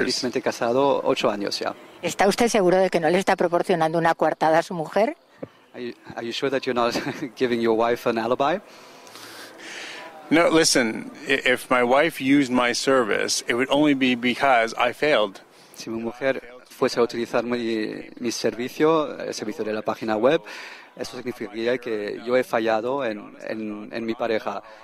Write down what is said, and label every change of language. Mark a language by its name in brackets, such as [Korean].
[Spanish] Felizmente casado, 8 años ya. ¿Está usted seguro de que no le está proporcionando una coartada a su mujer? [English] Are you sure that you're not giving your wife an alibi? No, listen, if my wife used my service, it would only be because I failed. [Spanish] Si mi mujer fuese a utilizar mi servicio, el servicio de la página web, eso significaría que yo he fallado en mi pareja.